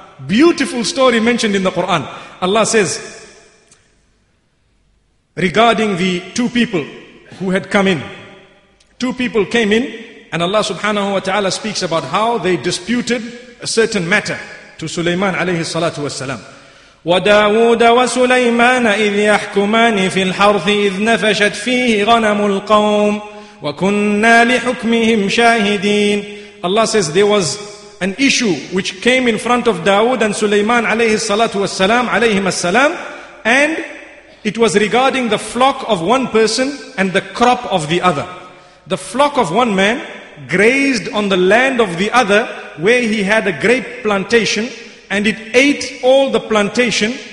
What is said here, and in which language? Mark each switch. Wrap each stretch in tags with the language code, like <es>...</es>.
<en>Beautiful story mentioned in the Quran. Allah says, regarding the two people who had come in. Two people came in and Allah subhanahu wa ta'ala speaks about how they disputed a certain matter to Sulaiman alayhi salatu wasalam.</en> <ar>وداود وسليمان إذ يحكمان في الحرث إذ نفشت فيه غنم القوم وَكُنَّا لِحُكْمِهِمْ شَاهِدِينَ</ar> <en>Allah says there was an issue which came in front of Dawood and Sulaiman alayhi salatu wasalam alayhim as-salam, and it was regarding the flock of one person and the crop of the other. The flock of one man grazed on the land of the other where he had a great plantation, and it ate all the plantation.</en>